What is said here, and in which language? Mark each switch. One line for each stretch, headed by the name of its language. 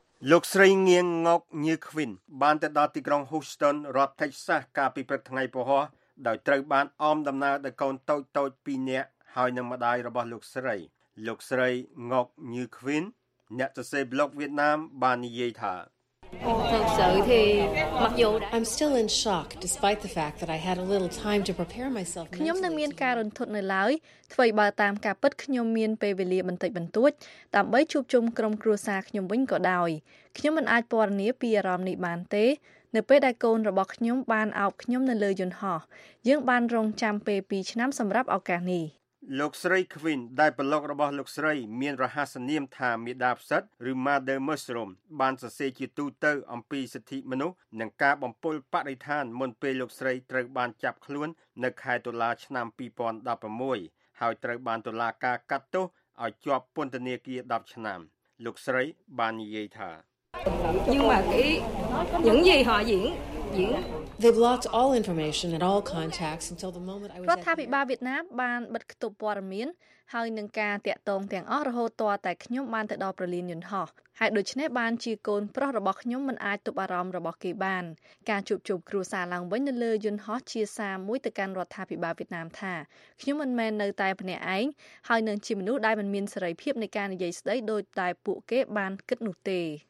Khmer: លោកស្រីងៀងងុកញឿខ្វីនបានទៅដល់ទីក្រុង Houston រដ្ឋ Texas កាលពីព្រឹកថ្ងៃពុធដោយត្រូវបានអមដំណើរដោយកូនតូចតូច2នាក់ហើយនឹងម្ដាយរបស់លោកស្រីងុកញឿខ្វីនអ្នកសរសេរប្លុកវៀតណាមបាននិយាយថា
English: I'm still in shock despite the fact that I had a little time to prepare myself.
Khmer: ខ្ញុំនៅមានការរន្ធត់នៅឡើយ្វីបើតាមការពិតខ្ញុំមានពេលវេលាបន្តិចបន្តួចដើម្បីជួបជុំក្រុមគ្រួសារខ្ញុំវិញក៏ដោយខ្ញុំមិនអាចពណ៌នាពីអារម្មណ៍នេះបានទេនៅពេលដែលកូនរបស់ខ្ញុំបានអោបខ្ញុំនៅលើយន្តហោះយើងបានរងចាំពេល2ឆ្នាំសម្រាប់ឱកាសនេះ លោកស្រី Queen ដែលប្រឡងរបស់លោកស្រីមានរហស្សនាមថាមេដាផ្សិតឬ Mother Mushroom បានសរសេរជាទូទៅអំពីសិទ្ធិមនុស្សនិងការបំពុលបរិស្ថានមុនពេលលោកស្រីត្រូវបានចាប់ខ្លួននៅខែតុលាឆ្នាំ2016ហើយត្រូវបានតុលាការកាត់ទោសឲ្យជាប់ពន្ធនាគារ10ឆ្នាំលោកស្រីបាននិយាយថា
English: They've locked all information and all contacts until the moment I was
Khmer: រដ្ឋាភិបាលវៀតណាមបានបិទគតុព័ត៌មានហើយនឹងការតាក់ទងទាំងអស់រហូតតែខ្ញុំបានទៅដល់ប្រលានយន្តហោះហើយដូច្នេះបានជាកូនប្រុសរបស់ខ្ញុំមិនអាចទប់អារម្មណ៍របស់គេបានការជួបជុំគ្រួសារឡើងវិញនៅលើយន្តហោះជាសារមួយទៅកាន់រដ្ឋាភិបាលវៀតណាមថាខ្ញុំមិនមែននៅតែម្នាក់ឯងហើយនឹងជាមនុស្សដែលមិនមានសេរីភាពនៃការនិយាយស្ដីដោយតែពួកគេបានគិតនោះទេ